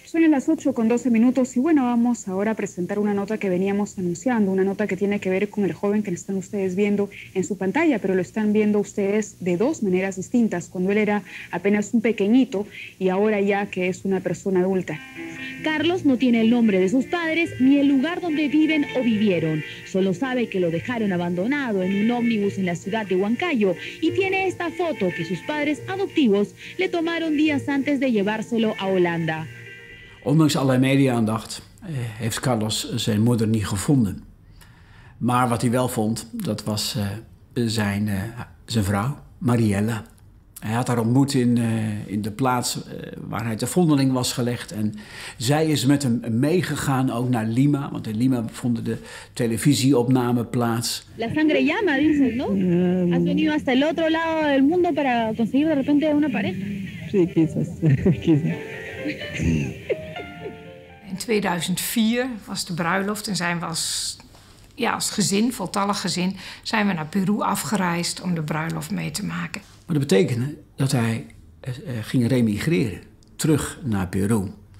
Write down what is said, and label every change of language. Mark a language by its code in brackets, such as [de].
[es] Las 8 con 12 minutos y bueno, vamos ahora a presentar una nota que veníamos anunciando, una nota que tiene que ver con el joven que están ustedes viendo en su pantalla, pero lo están viendo ustedes de dos maneras distintas, cuando él era apenas un pequeñito y ahora ya que es una persona adulta. Carlos no tiene el nombre de sus padres ni el lugar donde viven o vivieron. Solo sabe que lo dejaron abandonado en un ómnibus en la ciudad de Huancayo y tiene esta foto que sus padres adoptivos le tomaron días antes de llevárselo a Holanda. [nl] Ondanks allerlei media-aandacht heeft Carlos zijn moeder niet gevonden. Maar wat hij wel vond, dat was zijn vrouw, Mariella. Hij had haar ontmoet in de plaats waar hij te vondeling was gelegd. En zij is met hem meegegaan ook naar Lima. Want in Lima vonden de televisieopname plaats. [es] La sangre llama, dices, ¿no? Has venido hasta el otro lado del mundo para conseguir de repente una pareja. Sí, quizás. [nl] In 2004 was de bruiloft en zijn we als gezin, voltallig gezin, zijn we naar Peru afgereisd om de bruiloft mee te maken. Maar dat betekende dat hij ging remigreren, terug naar Peru.